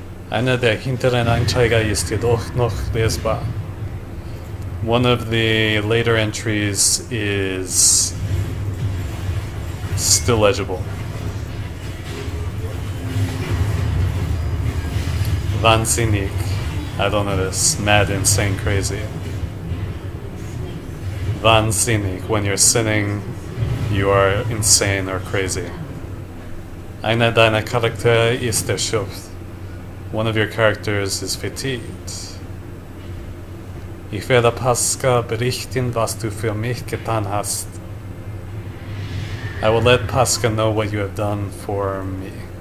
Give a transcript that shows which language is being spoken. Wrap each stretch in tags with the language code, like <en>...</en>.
<de>Einer der hinteren Einträge ist jedoch noch lesbar.</de> <en>One of the later entries is still legible. Wahnsinnig. I don't know this. Mad, insane, crazy.</en> <de>Wahnsinnig.</de> <en>When you're sinning, you are insane or crazy.</en> <de>Einer deiner Charaktere ist erschöpft.</de> <en>One of your characters is fatigued.</en> <de>Ich werde Pascha berichten, was du für mich getan hast.</de> <en>I will let Pascha know what you have done for me.</en>